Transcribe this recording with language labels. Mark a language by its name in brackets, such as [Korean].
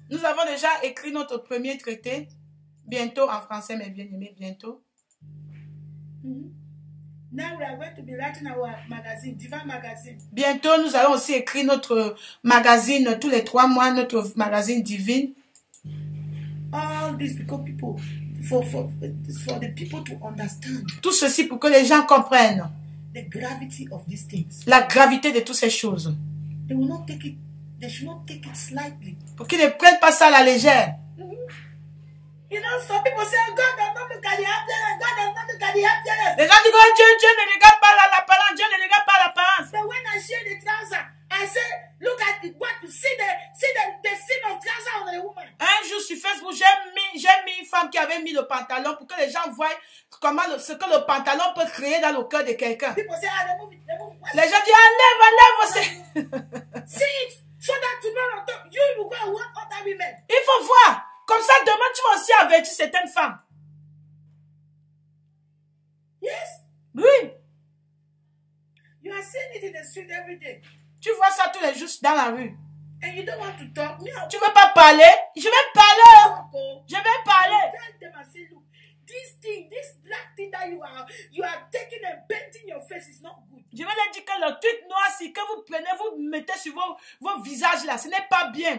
[French] Nous avons déjà écrit notre premier traité. Bientôt en français, mes bien-aimés, bientôt. [English] Now we are going to be writing our magazine, Divan Magazine. [French] Bientôt, nous allons aussi écrire notre magazine tous les trois mois, notre magazine Divine. [English] All these people, for the people to understand. [French] Tout ceci pour que les gens comprennent. [English] The gravity of these things. [French] La gravité de toutes ces choses. [English] They will not take it. They should not take it slightly. [French] Pour qu'ils ne prennent pas ça à la légère. [English] You know, some people say, God does not look at the appearance. God does not look at the appearance. [French] Les gens disent, Dieu ne regarde pas l'apparence. Dieu ne regarde pas l'apparence. [English] But when I share the trouser, I say, look at the, what you see the sin of trouser on the woman. [French] Un jour sur Facebook, j'ai mis une femme qui avait mis le pantalon pour que les gens voient comment ce que le pantalon peut créer dans le cœur de quelqu'un. [English] People say, remove. [French] Les gens disent, enlève. [English] See it. So that tomorrow, you will go and work other women. [French] Il faut voir. Comme ça, demain, tu vas aussi avertir certaines femmes. [English] Yes. [French] Oui. [English] You are seeing it in the street every day. [French] Tu vois ça tous les jours dans la rue. [English] And you don't want to talk. No. [French] Tu ne veux pas parler? Je vais parler. Je vais parler. [English] Tell them and say, look, this thing, this black thing that you are taking and painting your face is not good. [French] Je vais leur dire que le truc noir, c'est que vous prenez, vous mettez sur vos visages là, ce n'est pas bien.